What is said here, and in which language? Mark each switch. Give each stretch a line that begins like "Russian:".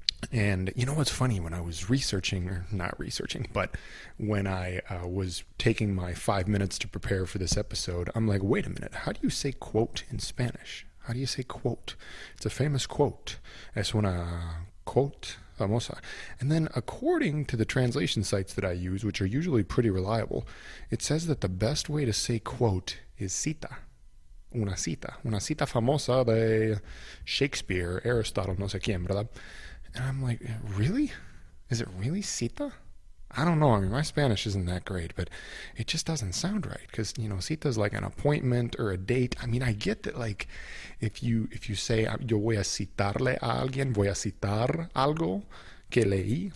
English: And you know what's funny? When I was researching, or not researching, but when I was taking my 5 minutes to prepare for this episode, I'm like, wait a minute, how do you say quote in Spanish? How do you say quote? It's a famous quote.
Spanish: Es una quote famosa.
English: And then according to the translation sites that I use, which are usually pretty reliable, it says that the best way to say quote is cita.
Spanish: Una cita famosa de Shakespeare, Aristotle, no sé quién, ¿verdad?
English: And I'm like, really? Is it really cita? I don't know. I mean, my Spanish isn't that great, but it just doesn't sound right. Because, you know, cita is like an appointment or a date. I mean, I get that, like, if you say,
Spanish: yo voy a citarle a alguien, voy a citar algo que leí.